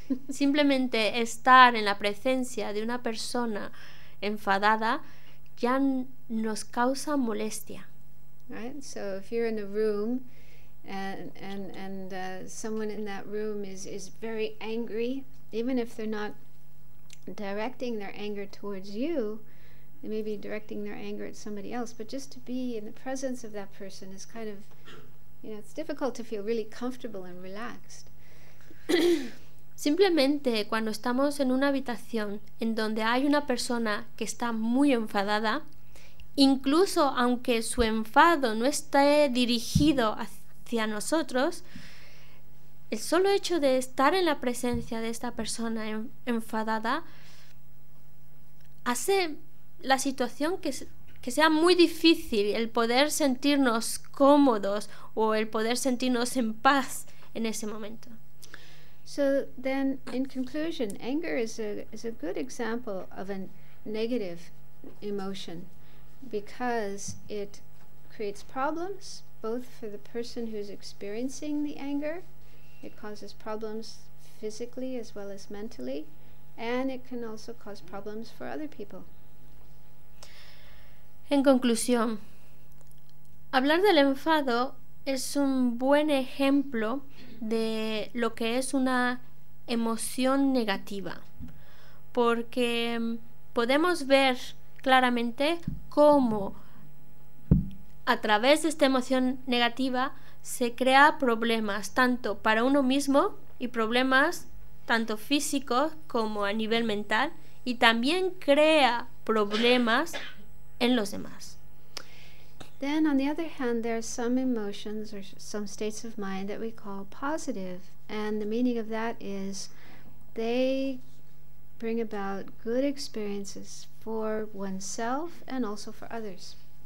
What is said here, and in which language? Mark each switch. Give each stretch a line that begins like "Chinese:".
Spanish: Simplemente estar en la presencia de una persona enfadada ya nos causa molestia.
English: Right? So if you're in a room and someone in that room is very angry, even if they're not directing their anger towards you, they may be directing their anger at somebody else, but just to be in the presence of that person is kind of, you know, it's difficult to feel really comfortable and relaxed.
Spanish: Simplemente cuando estamos en una habitación en donde hay una persona que está muy enfadada, incluso aunque su enfado no esté dirigido hacia nosotros, el solo hecho de estar en la presencia de esta persona enfadada hace la situación que sea muy difícil el poder sentirnos cómodos o el poder sentirnos en paz en ese momento.
English: So then, in conclusion, anger is a good example of a negative emotion because it creates problems both for the person who's experiencing the anger. It causes problems physically as well as mentally, and it can also cause problems for other people.
Spanish: En conclusión, hablar del enfado es un buen ejemplo de lo que es una emoción negativa, porque podemos ver claramente cómo a través de esta emoción negativa se crea problemas tanto para uno mismo y problemas tanto físicos como a nivel mental, y también crea problemas en los demás.
English: Then, on the other hand, there are some emotions or some states of mind that we call positive, and the meaning of that is they bring about good experiences for oneself and also for others.